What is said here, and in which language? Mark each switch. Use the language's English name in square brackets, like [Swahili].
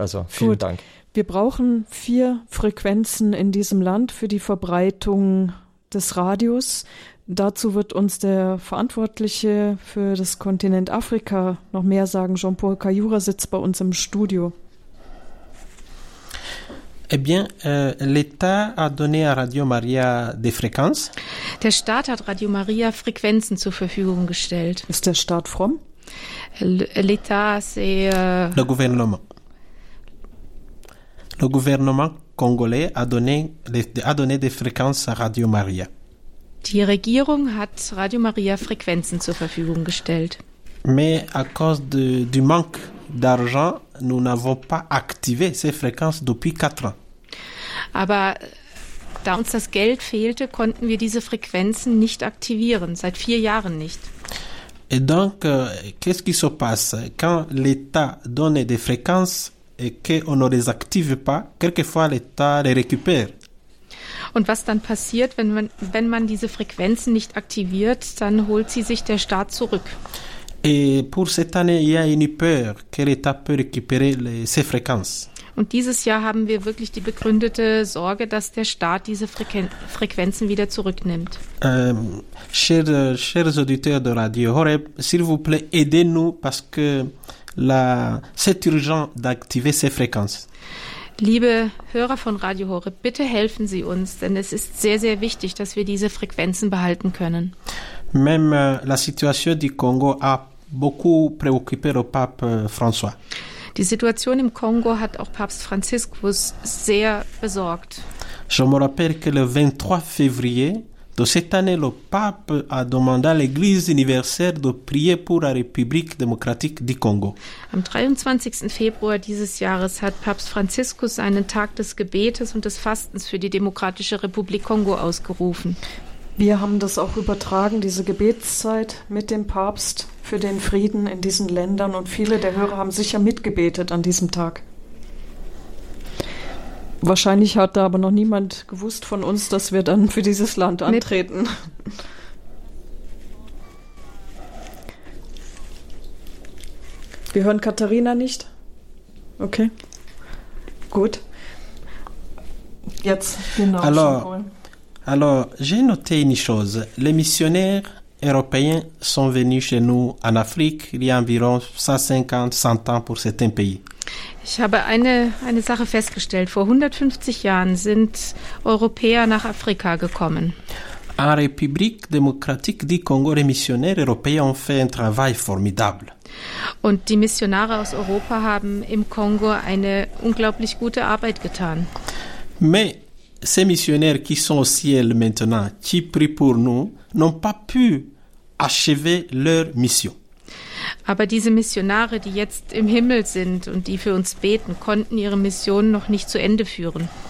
[German] Also vielen Gut. Dank. Wir brauchen 4 Frequenzen in diesem Land für die Verbreitung des Radios. Dazu wird uns der Verantwortliche für das Kontinent Afrika noch mehr sagen. Jean-Paul Kayura sitzt bei uns im Studio. [French] Eh bien, l'État a donné à Radio Maria des fréquences. [German] Der Staat hat Radio Maria Frequenzen zur Verfügung gestellt. Ist der Staat fromm? [French] L'État, c'est... Le gouvernement. Le gouvernement congolais a donné des fréquences à Radio Maria. [German] Die Regierung hat Radio Maria Frequenzen zur Verfügung gestellt. [French] Mais à cause du manque d'argent, nous n'avons pas activé ces fréquences depuis 4 ans. [German] Aber da uns das Geld fehlte, konnten wir diese Frequenzen nicht aktivieren, seit 4 Jahren nicht. [French] Et donc, qu'est-ce qui se passe quand l'État donne des fréquences et qu'on ne les active pas, quelquefois l'État les récupère. [German] Und was dann passiert, wenn man diese Frequenzen nicht aktiviert, dann holt sie sich der Staat zurück. [French] Et pour cette année, il y a une peur que l'État peut récupérer ces fréquences. [German] Und dieses Jahr haben wir wirklich die begründete Sorge, dass der Staat diese Frequenzen wieder zurücknimmt. [French] Chers auditeurs de Radio Horeb, s'il vous plaît, aidez-nous parce que c'est urgent d'activer ces fréquences. [German] Liebe Hörer von Radio Horeb, bitte helfen Sie uns, denn es ist sehr, sehr wichtig, dass wir diese Frequenzen behalten können. [French] Même la situation du Congo a beaucoup préoccupé le pape François. [German] Die Situation im Kongo hat auch Papst Franziskus sehr besorgt. [French] Je me rappelle que le 23 février de cette année, le pape a demandé à l'Église universelle de prier pour la République démocratique du Congo. [German] Am 23. Februar dieses Jahres hat Papst Franziskus einen Tag des Gebetes und des Fastens für die Demokratische Republik Kongo ausgerufen. Wir haben das auch übertragen, diese Gebetszeit mit dem Papst für den Frieden in diesen Ländern. Und viele der Hörer haben sicher mitgebetet an diesem Tag. Wahrscheinlich hat da aber noch niemand gewusst von uns, dass wir dann für dieses Land antreten. Wir hören Katharina nicht? Okay. Gut. Jetzt, genau. Hallo. [French] Alors, j'ai noté une chose. Les missionnaires européens sont venus chez nous en Afrique il y a environ 150-100 ans pour certains pays. [German] Ich habe eine Sache festgestellt. Vor 150 Jahren sind Europäer nach Afrika gekommen. [French] En République démocratique du Congo, les missionnaires européens ont fait un travail formidable. [German] Und die Missionare aus Europa haben im Kongo eine unglaublich gute Arbeit getan. [French] Mais ces missionnaires qui sont au ciel maintenant, qui prient pour nous, n'ont pas pu achever leur mission. [German] Aber diese Missionare, die jetzt im Himmel sind und die für uns beten, konnten ihre Mission noch nicht zu Ende führen.